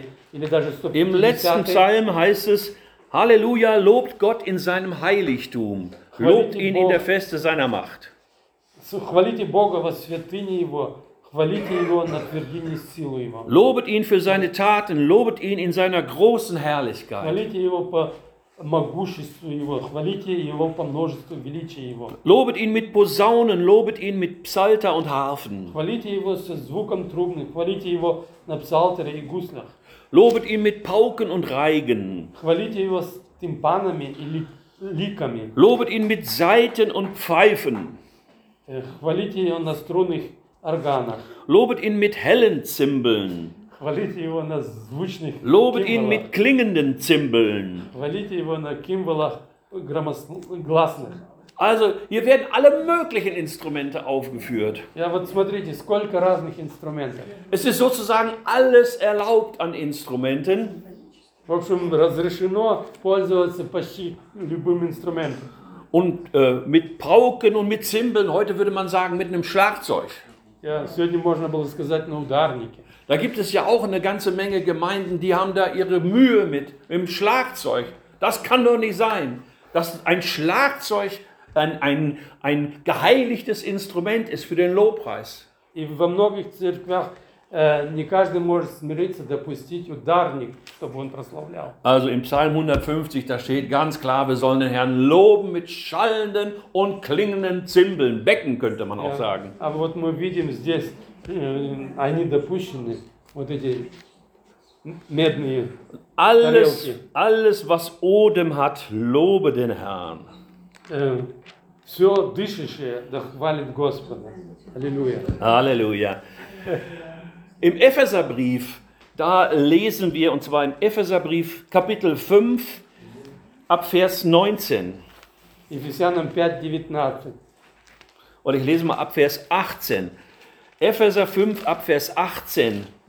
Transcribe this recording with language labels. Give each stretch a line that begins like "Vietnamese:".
German: Im letzten Psalm heißt es, Halleluja, lobt Gott in seinem Heiligtum, lobt ihn in der Feste seiner Macht. Lobet ihn für seine Taten, lobet ihn in seiner großen Herrlichkeit.
Russian: Могуществу его, хвалите его по множеству величия его.
German: Lobet ihn mit Posaunen, lobet ihn mit Psalter und Harfen.
Russian: Хвалите его со звуком трубных, хвалите его на псалтере и гуслях.
German: Lobet ihn mit Pauken und Reigen.
Russian: Хвалите его с тимпанами и ликами.
German: Lobet ihn mit Saiten und Pfeifen.
Russian: Хвалите его на струнных органах.
German: Lobet ihn mit hellen Zimbeln.
Russian: Хвалите его на звучных кимбалах.
German: Lobet ihn mit klingenden Zimbeln.
Russian: Хвалите его на кимбалах громогласных.
German: Also, hier werden alle möglichen Instrumente aufgeführt.
Russian: Ja, вот смотрите, сколько разных инструментов.
German: Es ist sozusagen alles erlaubt an Instrumenten.
Russian: В общем, разрешено пользоваться почти любым инструментом.
German: Und mit Pauken und mit Zimbeln, heute würde man sagen, mit einem Schlagzeug.
Russian: Ja, сегодня можно было сказать на ударнике.
German: Da gibt es ja auch eine ganze Menge Gemeinden, die haben da ihre Mühe mit, im Schlagzeug. Das kann doch nicht sein, dass ein Schlagzeug ein geheiligtes Instrument ist für den Lobpreis.
Russian: И во многих церквях не каждый может смириться допустить ударник, чтобы он прославлял.
German: Also im Psalm 150, da steht ganz klar, wir sollen den Herrn loben mit schallenden und klingenden Zimbeln. Becken könnte man auch sagen.
Russian: Aber вот мы видим здесь, они допущены, вот эти медные тарелки.
German: Alles, was Odem hat, lobe den Herrn.
Russian: Все дышащее, да хвалит Господа. Аллилуйя. Аллилуйя.
German: Im Epheserbrief, da lesen wir, und zwar im Epheserbrief, Kapitel 5, ab Vers 19.
English: Ephesians 5, 19.
German: Und ich lese mal ab Vers 18. Epheser 5, ab Vers 18.